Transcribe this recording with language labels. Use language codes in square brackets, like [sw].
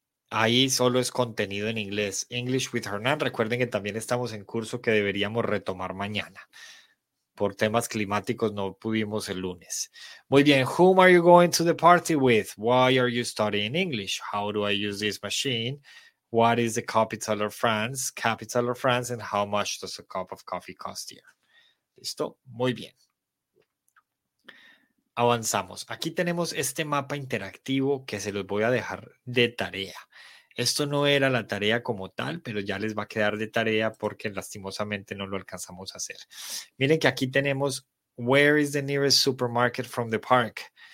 [es] Ahí solo es contenido en inglés. English with Hernán. Recuerden que también estamos en curso que deberíamos retomar mañana. Por temas climáticos no pudimos el lunes. Muy bien. [en] Whom are you going to the party with? Why are you studying English? How do I use this machine? What is the capital of France, and how much does a cup of coffee cost here? [es] ¿Listo? Muy bien. Avanzamos. Aquí tenemos este mapa interactivo que se los voy a dejar de tarea. Esto no era la tarea como tal, pero ya les va a quedar de tarea porque lastimosamente no lo alcanzamos a hacer. Miren que aquí tenemos, [en] where is the nearest supermarket from the park?